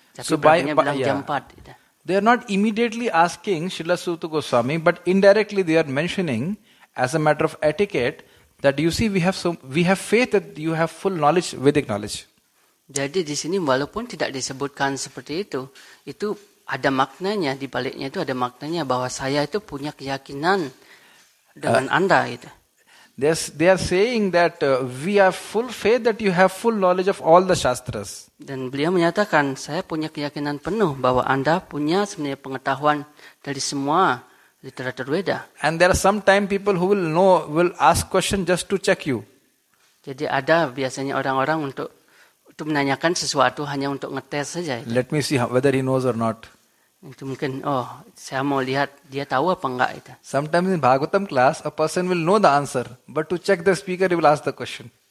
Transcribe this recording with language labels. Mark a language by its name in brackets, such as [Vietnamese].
[Indonesian] Tapi so Prabhunya bilang jam 4 gitu. [English] They are not immediately asking Srila Suta Goswami, but indirectly they are mentioning as a matter of etiquette that you see we have faith that you have full knowledge, Vedic knowledge. [Indonesian] Jadi di sini walaupun tidak disebutkan seperti itu, itu ada maknanya, di baliknya itu ada maknanya bahwa saya itu punya keyakinan dengan Anda gitu. [English] They are saying that we have full faith that you have full knowledge of all the shastras. [Indonesian] Dan beliau menyatakan saya punya keyakinan penuh bahwa Anda punya sebenarnya pengetahuan dari semua literatur Veda. [English] And there are sometimes people who will know, will ask question just to check you. [Indonesian] Jadi ada biasanya orang-orang untuk menanyakan sesuatu hanya untuk ngetes saja. Itu. [English] Let me see whether he knows or not. [Indonesian] Itu mungkin, oh, saya mau lihat dia tahu apa enggak itu. [English] Sometimes in Bhagavatam class, a person will know the answer, but to check the speaker, he will ask the question.